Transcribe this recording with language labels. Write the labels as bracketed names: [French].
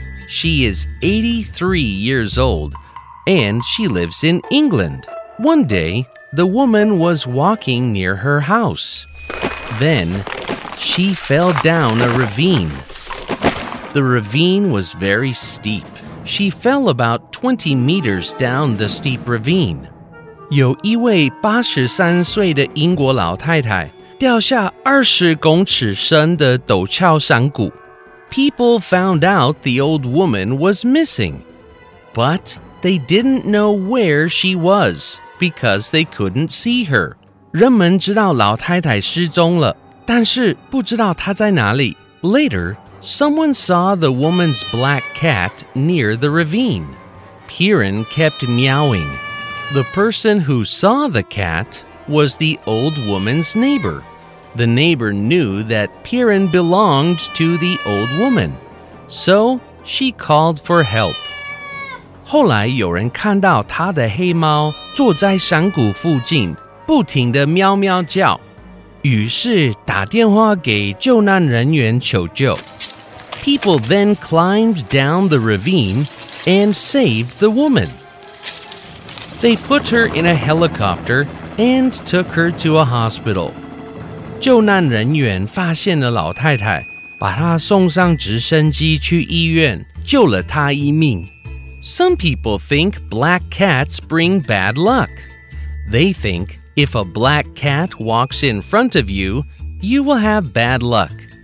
[English] She is 83 years old, and she lives in England. One day, the woman was walking near her house. Then, she fell down a ravine. The ravine was very steep. She fell about 20 meters down the steep ravine. [Chinese] 有一位83岁的英国老太太掉下20公尺深的陡峭山谷。 [English] People found out the old woman was missing, but they didn't know where she was because they couldn't see her. [Chinese] 人们知道老太太失踪了，但是不知道她在哪里。 [English] Later,Someone saw the woman's black cat near the ravine. Piran kept meowing. The person who saw the cat was the old woman's neighbor. The neighbor knew that Piran belonged to the old woman. So she called for help. [Chinese] 后来有人看到她的黑猫坐在山谷附近，不停地喵喵叫。于是打电话给救难人员求救。 [English] People then climbed down the ravine and saved the woman. They put her in a helicopter and took her to a hospital. [Chinese] 救难人员发现了老太太，把她送上直升机去医院，救了她一命。 [English] Some people think black cats bring bad luck. They think if a black cat walks in front of you, you will have bad luck.